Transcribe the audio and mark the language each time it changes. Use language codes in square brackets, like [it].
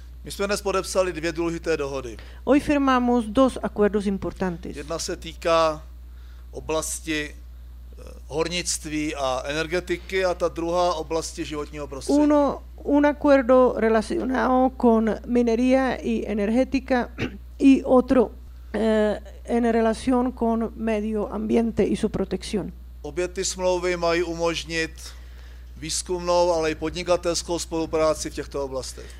[cs] My jsme dnes podepsali dvě důležité dohody. [es] Hoy firmamos dos acuerdos importantes. [cs] Jedna se týká oblasti hornictví a energetiky a ta druhá oblasti životního prostředí. [es] Un acuerdo relacionado con minería y energética y otro en relación con medio ambiente y su protección. [cs] Obě ty smlouvy mají umožnit výzkumnou, ale i podnikatelskou spolupráci v těchto oblastech.